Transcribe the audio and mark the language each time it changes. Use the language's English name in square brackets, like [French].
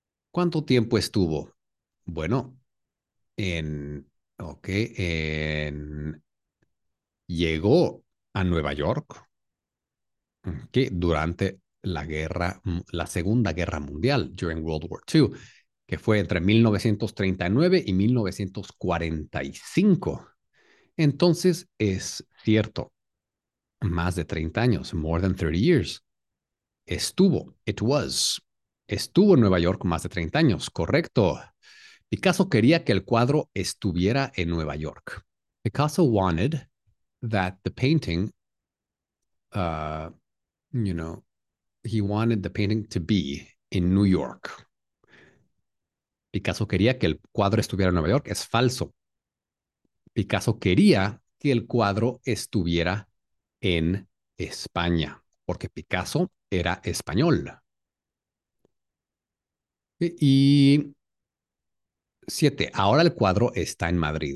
[Spanish] ¿Cuánto tiempo estuvo? Bueno, llegó a Nueva York, okay, durante la Segunda Guerra Mundial, [English] during World War II, [Spanish] que fue entre 1939 y 1945. Entonces, es cierto, más de 30 años, [English] more than 30 years, [Spanish] estuvo en Nueva York más de 30 años, correcto. Picasso quería que el cuadro estuviera en Nueva York. [English] Picasso wanted that the painting, he wanted the painting to be in New York. [Spanish] Picasso quería que el cuadro estuviera en Nueva York. Es falso. Picasso quería que el cuadro estuviera en España, porque Picasso era español. Y 7. Ahora el cuadro está en Madrid.